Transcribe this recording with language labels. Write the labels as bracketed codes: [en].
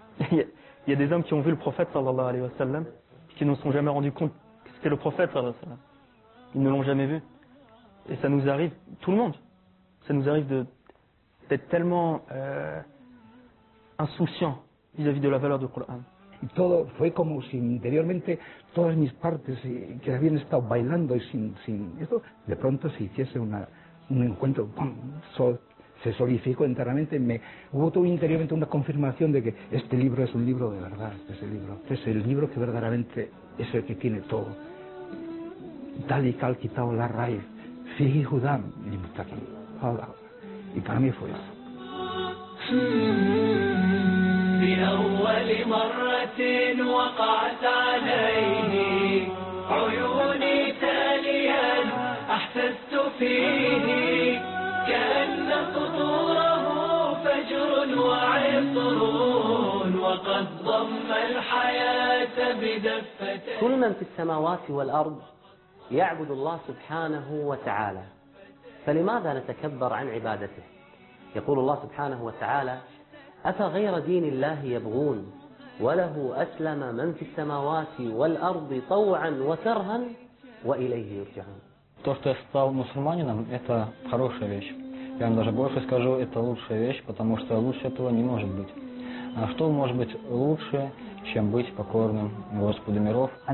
[fr] Il y a des hommes qui ont vu le prophète, [ar] sallallahu alayhi wa sallam, [fr] qui ne se sont jamais rendu compte que c'était le prophète, sallallahu alayhi wa sallam. Ils ne l'ont jamais vu. Et ça nous arrive, tout le monde, ça nous arrive d'être tellement insouciant vis-à-vis de la valeur du Coran. [es] Y todo fue como si interiormente todas mis partes que habían estado bailando y sin esto, de pronto se hiciese un encuentro, se solidificó enteramente. Hubo todo interiormente una confirmación de que este libro es un libro de verdad, es el libro que verdaderamente es el que tiene todo. Tal y cal quitado la raíz, fiji judán y mutaki. Y para mí fue eso. [ar] لأول مرة وقعت عليني عيوني تاليا أحسست فيه كأن قطوره فجر وعطر وقد ضم الحياة بدفتين كل من في السماوات والأرض يعبد الله سبحانه وتعالى فلماذا نتكبر عن عبادته؟ يقول الله سبحانه وتعالى أفغير دين الله يبغون وله أسلم من في السماوات والأرض طوعا وكرها وإليه يرجعون. [ru] То, что я стал мусульманином, это хорошая вещь. Я вам даже больше скажу, это лучшая вещь, потому что лучше этого не может быть. А что может быть лучше, чем быть покорным Господу миров?